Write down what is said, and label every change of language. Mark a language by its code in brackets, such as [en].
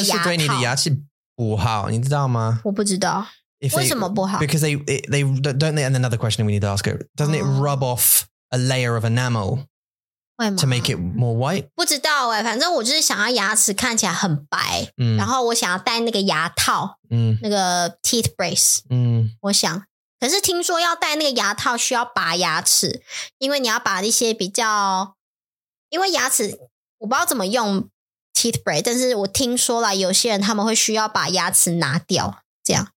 [zh] 但是这是对你的牙齿不好, 你知道吗? 我不知道。为什么不好? [en] Because they don't they, and another question we need to ask her, doesn't it rub off a layer of enamel? To make it more white? [zh] 不知道耶, 反正我就是想要牙齿看起来很白, 然后我想要戴那个牙套, 那个 teeth brace, 我想, 可是听说要戴那个牙套需要拔牙齿, 因为你要把一些比较, 因为牙齿, 我不知道怎么用 teeth brace, 但是我听说了, 有些人他们会需要把牙齿拿掉, 这样。